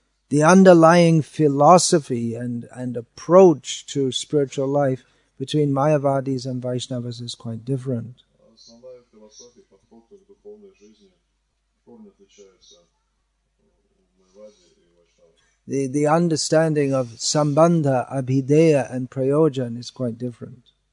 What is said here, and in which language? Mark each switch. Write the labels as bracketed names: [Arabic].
[English] The underlying philosophy and approach to spiritual life between Mayavadis and Vaishnavas is quite different. [Russian] Основная в философии подход к духовной жизни корни отличаются в майваде и вайшнаве. [English] The understanding of Sambandha, Abhideya, and Prayojan is quite different.